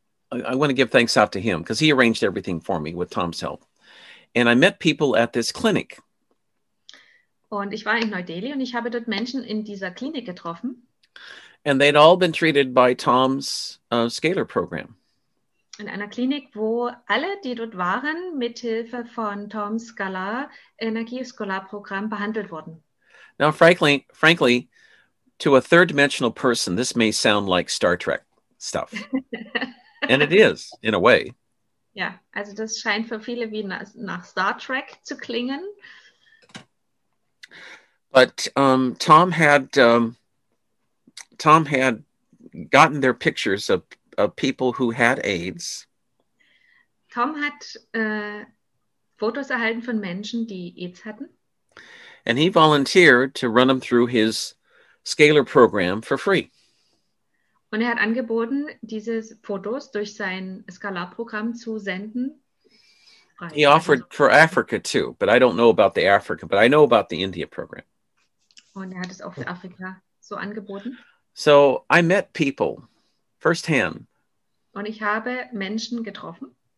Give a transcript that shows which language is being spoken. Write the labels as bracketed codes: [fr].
[en] I want to give thanks out to him because he arranged everything for me with Tom's help. And I met people at this clinic. [de] Und ich war in Neu-Delhi und ich habe dort Menschen in dieser Klinik getroffen. [en] And they'd all been treated by Tom's Scalar program. [de] In einer Klinik, wo alle, die dort waren, mit Hilfe von Tom's Scalar Energieskalarprogramm behandelt wurden. [en] Now frankly to a third dimensional person, this may sound like Star Trek stuff. And it is in a way. [de] Ja, also das scheint für viele wie nach Star Trek zu klingen. [en] But Tom had gotten their pictures of people who had AIDS. [de] Tom hat Fotos erhalten von Menschen, die AIDS hatten. [en] And he volunteered to run them through his Scalar program for free. [de] Und hat angeboten, diese Fotos durch sein Scalar-Programm zu senden. [en] He offered for Africa too, but I don't know about the Africa, but I know about the India program. [de] Und hat es auch für Afrika so angeboten. [en] So I met people firsthand. [de] Und ich habe Menschen getroffen,